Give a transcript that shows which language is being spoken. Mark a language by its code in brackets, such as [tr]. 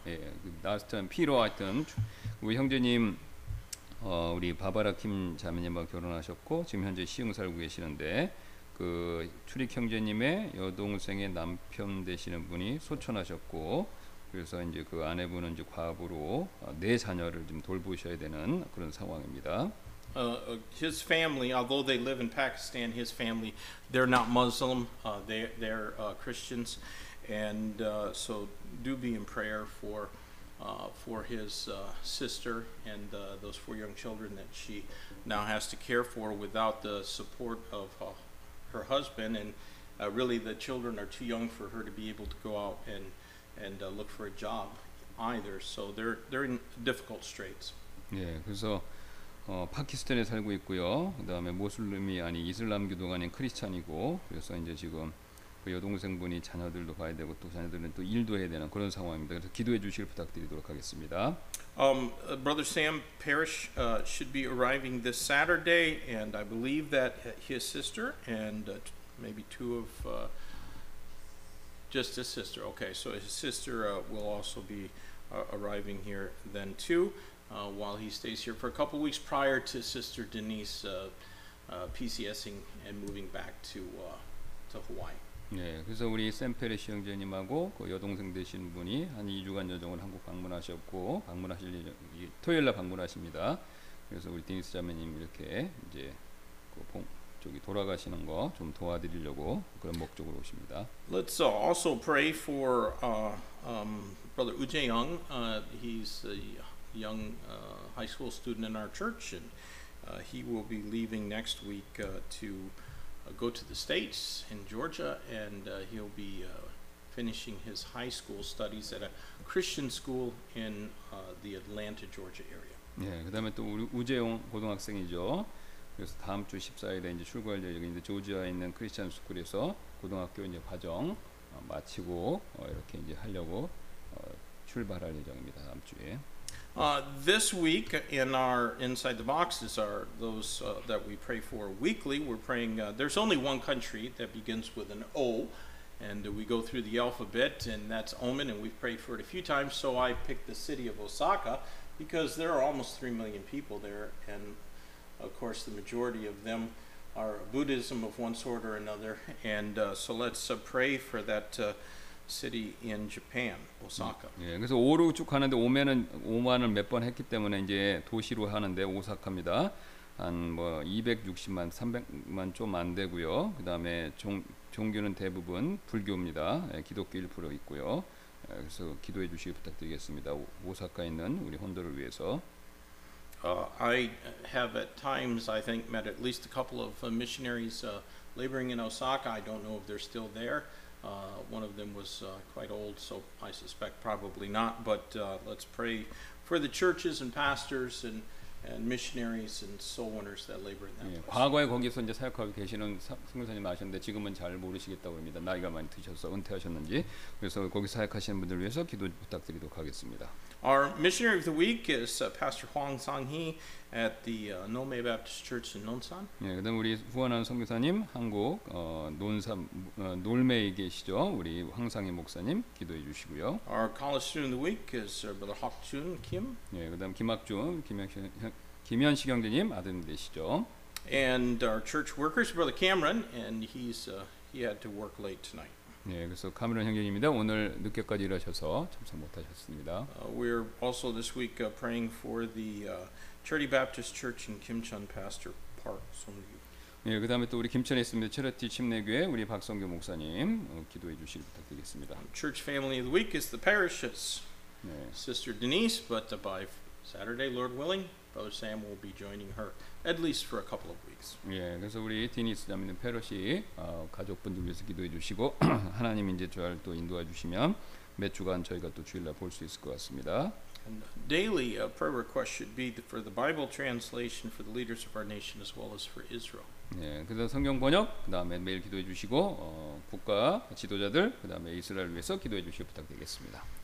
[ko] 예, 나스턴 피로 하여튼 우리 형제님 우리 바바라 김 자매님과 결혼하셨고 지금 현재 시흥 살고 계시는데 그 추액 형제님의 여동생의 남편 되시는 분이 소천하셨고 그래서 이제 그 아내분은 이제 과부로 네 자녀를 좀 돌보셔야 되는 그런 상황입니다. [en] His family, although they live in Pakistan, his family, they're not Muslim. They're Christians, and so do be in prayer for his sister and those four young children that she now has to care for without the support of her husband. And really, the children are too young for her to be able to go out and look for a job either. So they're in difficult straits. [ko] Yeah, 그래서. 파키스탄에 살고 있고요. 그다음에 모슬림이 아닌 이슬람교도가 아닌 크리스찬이고 그래서 이제 지금 그 여동생분이 자녀들도 봐야 되고 또 자녀들은 또 일도 해야 되는 그런 상황입니다. 그래서 기도해 주시길 부탁드리도록 하겠습니다. [en] Brother Sam Parrish should be arriving this Saturday and I believe that his sister and maybe two of just his sister. Okay. So his sister will also be arriving here then too. While he stays here for a couple weeks prior to Sister Denise PCSing and moving back to Hawaii. [ko] 네, 그래서 우리 샘 페리시 형제님하고 그 여동생 되신 분이 한 2주간 여정을 한국 방문하셨고 방문하실 토요일 날 방문하십니다. 그래서 우리 디니스 자매님 이렇게 이제 그 저기 돌아가시는 거 좀 도와드리려고 그런 목적으로 오십니다. [en] Let's also pray for Brother U Jae Young. He's young high school student in our church and he will be leaving next week to go to the States in Georgia and he'll be finishing his high school studies at a Christian school in the Atlanta, Georgia area. [ko] 예, 그다음에 또 우리 우재용 고등학생이죠. 그래서 다음 주 14일에 이제 출국할 예정인데 조지아에 있는 크리스천 스쿨에서 고등학교 이제 과정 마치고 이렇게 이제 하려고 출발할 예정입니다. 다음 주에. [en] This week in our Inside the Boxes are those that we pray for weekly. We're praying, there's only one country that begins with an O, and we go through the alphabet, and that's Oman, and we've prayed for it a few times, so I picked the city of Osaka, because there are almost 3 million people there, and of course the majority of them are Buddhism of one sort or another, and so let's pray for that city in Japan, Osaka. [ko] 예, 그래서 오로 쭉 하는데 오면은 오만을 몇 번 했기 때문에 이제 도시로 하는데 오사카입니다. 한 뭐 260만, 300만 좀 안 되고요. 그 다음에 종교는 대부분 불교입니다. 예, 기독교 1% 있고요. 예, 그래서 기도해 주시기 부탁드리겠습니다. 오사카에 있는 우리 혼도를 위해서. [en] I have at times, I think, met at least a couple of missionaries laboring in Osaka. I don't know if they're still there. One of them was quite old, so I suspect probably not. But let's pray for the churches and pastors and missionaries and soul winners that labor in that place. [ko] 예, 과거에 거기서 이제 사역하고 계시는 선교사님 아셨는데 지금은 잘 모르시겠다고 합니다. 나이가 많이 드셔서 은퇴하셨는지. 그래서 거기 사역하시는 분들을 위해서 기도 부탁드리도록 하겠습니다. [en] Our missionary of the week is Pastor Hwang Sang-hee at the Nome Baptist Church in Nonsan. [ko] 예, 그다음 우리 후원한 선교사님 한국 논산 놀메에 계시죠. 우리 황상희 목사님 기도해 주시고요. [en] Our college student of the week is Brother Hak Jun Kim. [ko] 예, 그다음 김학준 김현식 형제님 아드님 되시죠. [en] And our church workers Brother Cameron and he had to work late tonight. [ko] 네, 그래서 카메론 형제님입니다. 오늘 늦게까지 일하셔서 참석 못하셨습니다. [en] We're also this week praying for the Charity Baptist Church in Kimchon, Pastor Park Songyu. [ko] 네, 그 다음에 또 우리 김천에 있습니다. 체러티 침례교회 우리 박성규 목사님 기도해 주시길 부탁드리겠습니다. [en] Church family of the week is the parishes. 네. Sister Denise, but by Saturday, Lord willing, Brother Sam will be joining her at least for a couple of weeks. [ko] 예, 그래서 우리 디니스 자매님 페러시 가족분들 위해서 기도해 주시고 하나님 이제 저를 또 인도해 주시면 몇 주간 저희가 또 주일날 볼 수 있을 것 같습니다. [en] And daily a prayer request should be for the Bible translation for the leaders of our nation as well as for Israel. [ko] 예, 그래서 성경 번역 그다음에 매일 기도해 주시고 국가 지도자들 그다음에 이스라엘 위해서 기도해 주시기 부탁드리겠습니다.